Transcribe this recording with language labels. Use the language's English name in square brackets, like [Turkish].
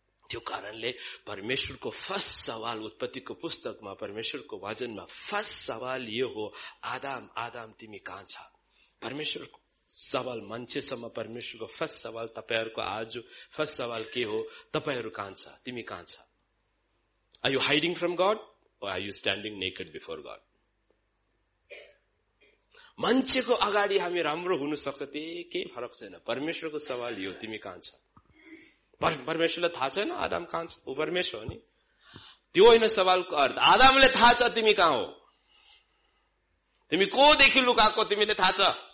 [Nepali] त्यो कारणले परमेश्वरको फर्स्ट सवाल उत्पत्तिको पुस्तकमा परमेश्वरको वचनमा फर्स्ट सवाल यो हो, आदाम आदाम तिमी कहाँ छ? परमेश्वरको सवाल मान्छेसम्म परमेश्वरको फर्स्ट सवाल तपाईँहरूको आज फर्स्ट सवाल के हो? तपाईँहरू कहाँ छ? तिमी कहाँ छ? [English] Are you hiding from God Or are you standing naked before God? [Nepali] मान्छेको अगाडि हामी राम्रो हुन सक्छ त्यही केही फरक छैन. परमेश्वरको सवाल यो तिमी कहाँ छ? परमेश्वरलाई थाहा छैन आदम कहाँ छ? ऊ परमेश्वर हो नि. त्यो होइन सवालको अर्थ. आदमले थाहा छ तिमी कहाँ हो, तिमी कोदेखि लुकाएको तिमीले थाहा छ.